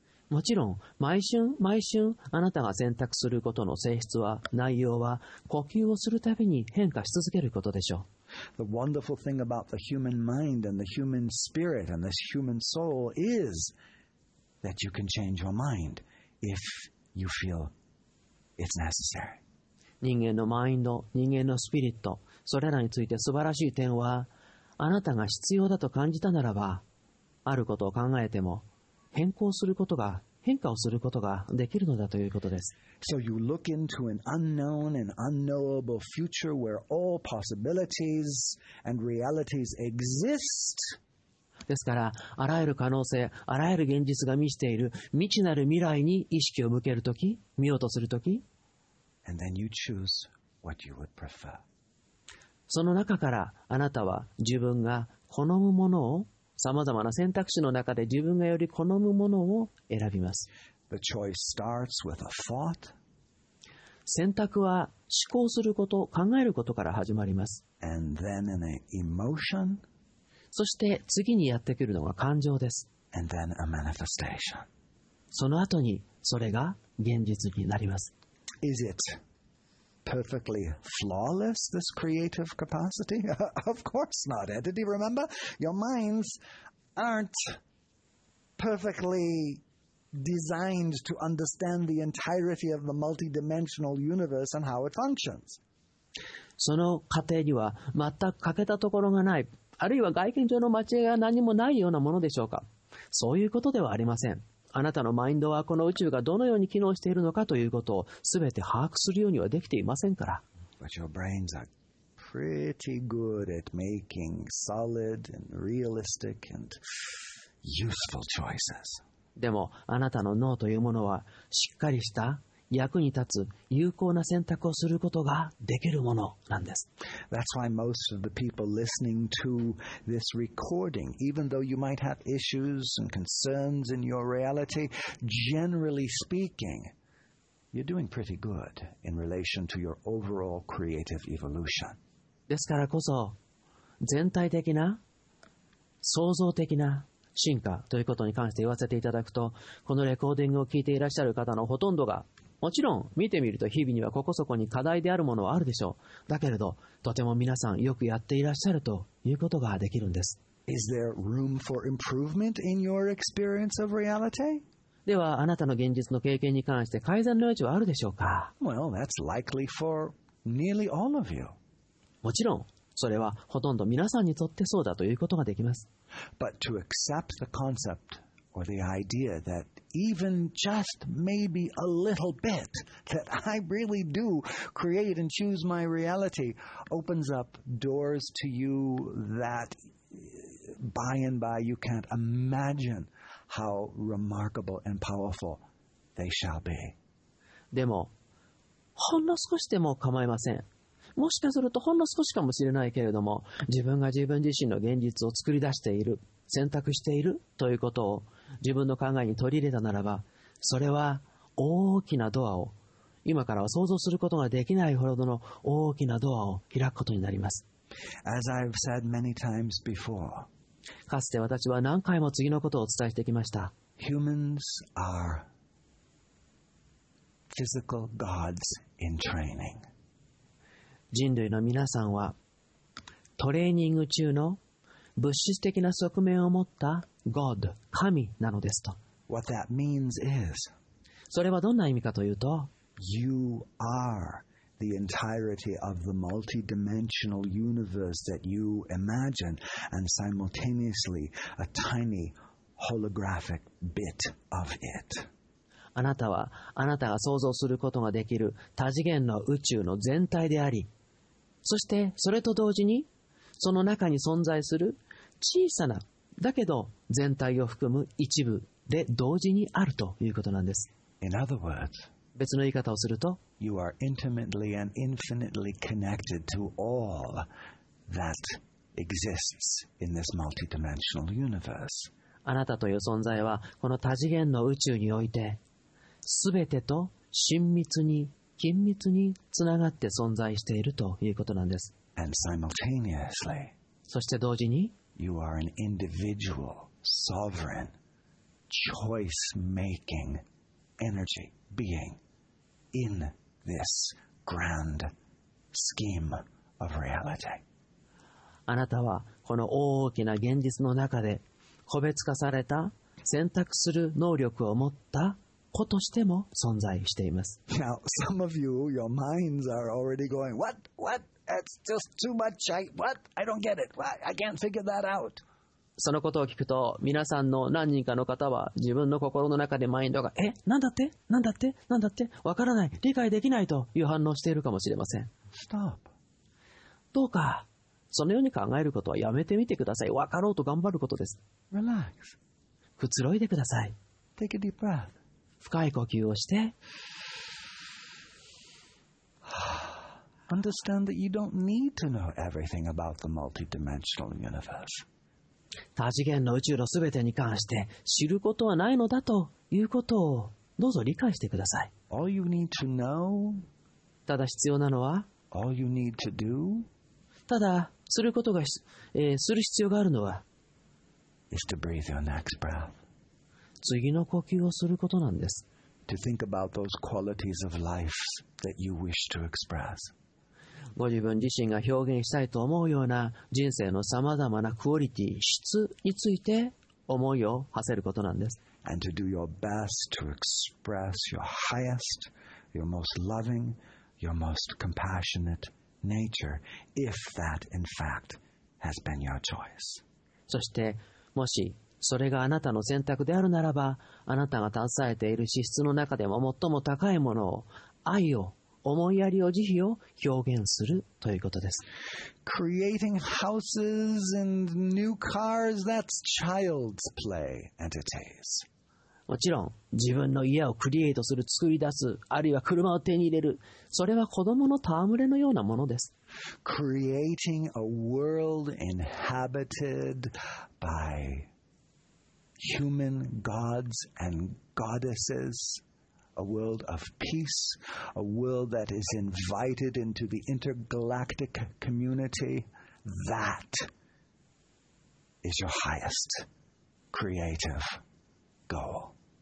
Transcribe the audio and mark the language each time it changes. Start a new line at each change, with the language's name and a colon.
Japanese: もちろん毎瞬毎瞬あなたが選択することの性質は内容は呼吸をするたびに変化し続けることでしょう。
English: The wonderful thing about the human mind and the human spirit and this human soul is that you can change your mind if you feel it's necessary.
Japanese: 人間のマインド、人間のスピリット、それらについて素晴らしい点は、あなたが必要だと感じたならば、あることを考えても変更することが、変化をすることができるのだということです。
English: So you look into an unknown and unknowable future where all possibilities and realities exist.
Japanese: ですから、あらゆる可能性、あらゆる現実が満ちている未知なる未来に意識を向けるとき、見ようとするとき、
English: And then you choose what you would prefer.
Japanese: その中からあなたは自分が好むものを、さまざまな選択肢の中で自分がより好むものを選びます。
English: The choice starts with a thought.
Japanese: 選択は思考すること、考えることから始まります。
English: And then an emotion.
Japanese: そして次にやってくるのが感情です。
English: And then a manifestation.
Japanese: その後にそれが現実になります。
English: Is it perfectly flawless, this creative capacity? Of course not. Entity, remember? Your minds aren't perfectly designed to understand the entirety of the multidimensional universe and how it functions.
Japanese: その過程には全く欠けたところがない、あるいは外見上の間違いが何もないようなものでしょうか。そういうことではありません。あなたのマインドはこの宇宙がどのように機能しているのかということをすべて把握するようにはできていませんから。
English: But your brains are pretty good at making solid and realistic and useful choices.
Japanese: でもあなたの脳というものはしっかりした役に立つ有効な選択をすることができるものなんです。
English: That's why most of the people listening to this recording, even though you might have issues and concerns in your reality, generally speaking, you're doing pretty good in relation to your overall creative evolution.
Japanese: ですからこそ、全体的な、創造的な、進化ということに関して言わせていただくと、このレコーディングを聞いていらっしゃる方のほとんどが、もちろん見てみると日々にはここそこに課題であるものはあるでしょう。だけれど、とても皆さんよくやっていらっしゃるということができるんです。
English: Is there room for improvement in your experience of reality?
Japanese: では、あなたの現実の経験に関して改善の余地はあるでしょうか?
English: Well, that's likely for nearly all of you.
Japanese: もちろん、それはほとんど皆さんにとってそうだということができます。
English: But to accept the concept or the idea that even just maybe a little bit that I really do create and choose my reality opens up doors to you that by and by you can't imagine how remarkable and powerful they shall be.
Japanese: でも、ほんの少しでも構いません。もしかするとほんの少しかもしれないけれども、自分が自分自身の現実を作り出している、選択しているということを自分の考えに取り入れたならば、それは大きなドアを、今からは想像することができないほどの大きなドアを開くことになります。
English: As I've said many times before,
Japanese: かつて私は何回も次のことをお伝えしてきました。
English: Humans are physical gods in training.
Japanese: 人類の皆さんは、トレーニング中の物質的な側面を持った God、神なのですと。
English: What that means is,
Japanese: それはどんな意味かというと、
English: You are the entirety of the multidimensional universe that you imagine and simultaneously a tiny holographic bit of it.
Japanese: あなたは、あなたが想像することができる多次元の宇宙の全体であり、そしてそれと同時に、その中に存在する小さな、だけど全体を含む一部で同時にあるということなんです。
English: In other words,
Japanese: 別の言い方をすると、
English: You are intimately and infinitely connected to all that exists in this multidimensional universe.
Japanese: あなたという存在は、この多次元の宇宙において、すべてと親密に、緊密につながって存在しているということなんです。
English: And simultaneously,
Japanese: そして同時に
English: you are an individual, sovereign, choice-making energy being in this grand scheme of reality.
Japanese: あなたはこの大きな現実の中で個別化された選択する能力を持った子としても存在しています。
English: Now, some of you, your minds are already going, what? What? That's just too much. What? I don't get it. I can't figure that out.
Japanese: そのことを聞くと、皆さんの何人かの方は自分の心の中でマインドが、え、なんだって?なんだって?なんだって?わからない。理解できないという反応しているかもしれません。
English: Stop.
Japanese: どうか、そのように考えることはやめてみてください。わかろうと頑張ることです。
English: Relax.
Japanese: くつろいでください。
English: Take a deep breath.
Japanese: 深い呼吸をして、
English: understand that you don't need to know everything about the multidimensional universe.
Japanese: 多次元の宇宙のすべてに関して知ることはないのだということをどうぞ理解してください。
English: All you need to know,
Japanese: ただ必要なのは、
English: all you need to do,
Japanese: ただすることが、する必要があるのは、
English: is to breathe your next breath.
Japanese: 次の呼吸をすることなんです。
English: To think about those qualities of life that you wish to express.
Japanese: ご自分自身が表現したいと思うような人生のさまざまなクオリティ、質について思いを馳せることなんです。
English: And to do your best to express your highest, your most loving, your most compassionate nature, if that in fact has been your choice.
Japanese: そしてもしそれがあなたの選択であるならば、あなたが携えている資質の中でも最も高いものを、愛を、思いやりを、慈悲を表現するということです。
English: Creating houses and new cars, that's child's play entities.
Japanese: もちろん、自分の家をクリエイトする、作り出す、あるいは車を手に入れる、それは子供の戯れのようなものです。
English: Creating a world inhabited byHuman gods and goddesses, a world of peace, a world that is invited into the intergalactic community, that is your highest creative goal.